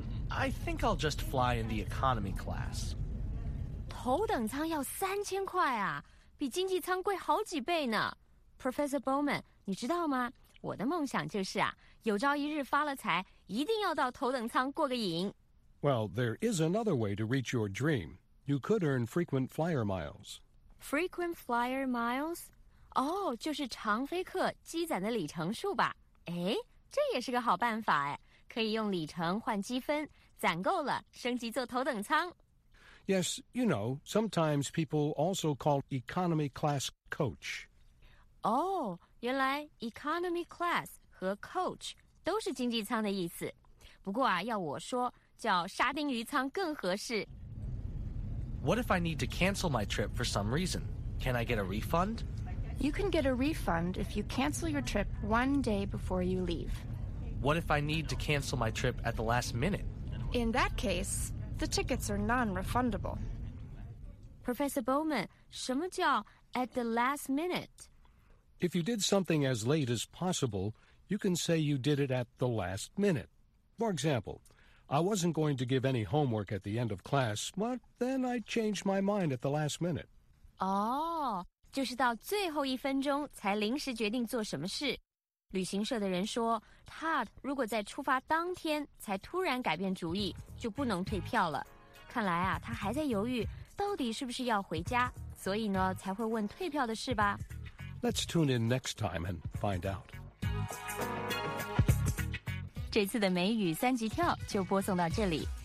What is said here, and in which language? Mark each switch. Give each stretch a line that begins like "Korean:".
English: I think I'll just fly in the economy class.
Chinese: 头等舱要3000块啊，比经济舱贵好几倍呢。 Professor Bowman, 你知道吗？我的梦想就是啊，有朝一日发了财，一定要到头等舱过个瘾。
English: Well, there is another way to reach your dream. You could earn frequent flyer miles. Frequent flyer miles?
Chinese: 哦、oh, ，就是常飞客积攒的里程数吧？哎，这也是个好办法哎，可以用里程换积分，攒够了升级坐头等舱。
English: Yes, you know, sometimes people also call economy class coach.
Chinese: 哦、oh, ，原来 economy class 和 coach 都是经济舱的意思。不过啊，要我说，叫沙丁鱼舱更合适。
English: What if I need to cancel my trip for some reason? Can I get a refund? You can get a refund if you cancel your trip one day before you leave. What if I need to cancel my trip at the last minute? In that case, the tickets are non-refundable. Professor Bowman,
Chinese: 什么叫
English: at the last minute? If you did something as late as possible, you can say you did it at the last minute. For example, I wasn't going to give any homework at the end of class, but then I changed my mind at the last minute. Oh.
Chinese: 就是到最后一分钟才临时决定做什么事。旅行社的人说 ，Todd 如果在出发当天才突然改变主意，就不能退票了。看来啊，他还在犹豫到底是不是要回家，所以呢才会问退票的事吧。
English: Let's tune in next time and find out.
Chinese: 这次的美语三级跳就播送到这里。